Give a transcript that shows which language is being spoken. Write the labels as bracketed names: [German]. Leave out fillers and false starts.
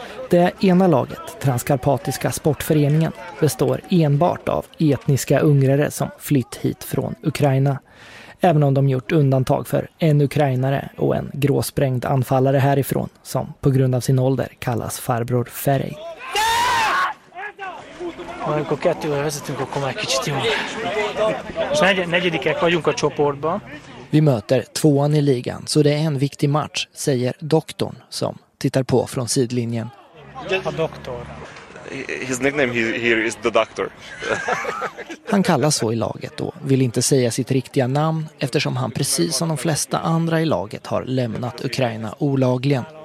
[Swedish] Det ena laget, Transkarpatiska sportföreningen, består enbart av etniska ungrare som flytt hit från Ukraina. Även om de gjort undantag för en ukrainare och en gråsprängd anfallare härifrån som på grund av sin ålder kallas farbror Ferry. [Hungarian] Amikor kettővel vezetünk, akkor már kicsit jó. És negyedikek vagyunk a csoportban. [Swedish] Vi möter tvåan i ligan, så det är en viktig match, säger doktorn som tittar på från sidlinjen. [English] His nickname here is the doctor. [Swedish] Han kallas så i laget då, vill inte säga sitt riktiga namn eftersom han precis som de flesta andra i laget har lämnat Ukraina olagligen.